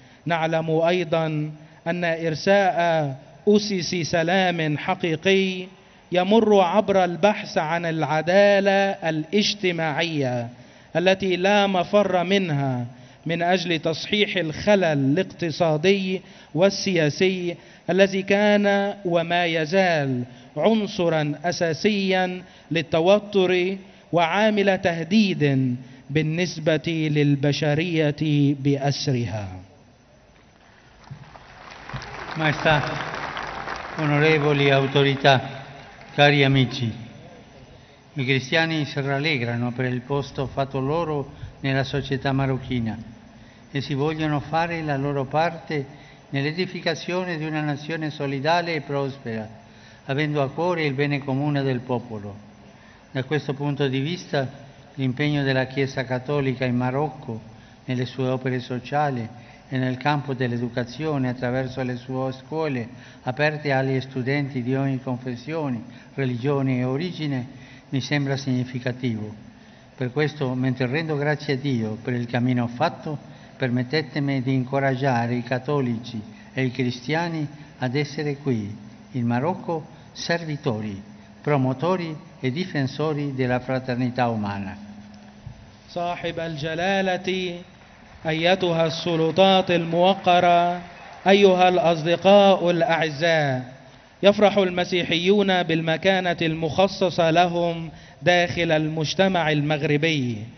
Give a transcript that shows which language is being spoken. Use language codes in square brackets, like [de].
[ar] نعلم أيضا أن إرساء أسس سلام حقيقي يمر عبر البحث عن العدالة الاجتماعية التي لا مفر منها من أجل تصحيح الخلل الاقتصادي والسياسي الذي كان وما يزال عنصرا أساسيا للتوتر وعامل تهديد بالنسبة للبشرية بأسرها. [it] مايستا onorevoli autorità, cari amici, i cristiani si rallegrano per il posto fatto loro nella società marocchina e si vogliono fare la loro parte nell'edificazione di una nazione solidale e prospera, avendo a cuore il bene comune del popolo. Da questo punto di vista, l'impegno della Chiesa Cattolica in Marocco, nelle sue opere sociali e nel campo dell'educazione attraverso le sue scuole aperte agli studenti di ogni confessione, religione e origine, mi sembra significativo. Per questo, mentre rendo grazie a Dio per il cammino fatto, permettetemi di incoraggiare i cattolici e i cristiani ad essere qui, in Marocco, servitori, promotori e difensori della fraternità umana. [ar] صاحب الجلالة، أيتها السلطات الموقرة، أيها الأصدقاء الأعزاء، يفرح المسيحيون بالمكانة المخصصة لهم داخل المجتمع المغربي.